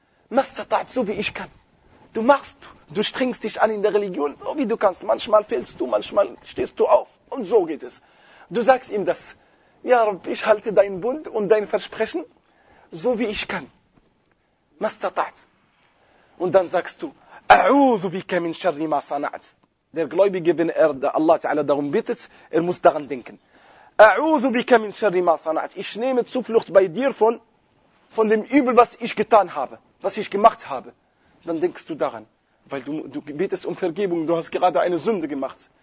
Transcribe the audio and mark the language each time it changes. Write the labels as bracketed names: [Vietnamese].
[German] Mastabat, so wie ich kann. Du machst, du strengst dich an in der Religion, so wie du kannst. Manchmal fällst du, manchmal stehst du auf. Und so geht es. Du sagst ihm das. Ja, Rabbi, ich halte deinen Bund und dein Versprechen, so wie ich kann. [Arabic] Mastabat. [German] Und dann sagst du, [Arabic] أعوذ بك من شر ما صنعت. [German] Der Gläubige, wenn er Allah Ta'ala darum bittet, er muss daran denken. [Arabic] أعوذ بك من شر ما صنعت. [German] Ich nehme Zuflucht bei dir von dem Übel, was ich getan habe, was ich gemacht habe. Dann denkst du daran, weil du betest um Vergebung, du hast gerade eine Sünde gemacht.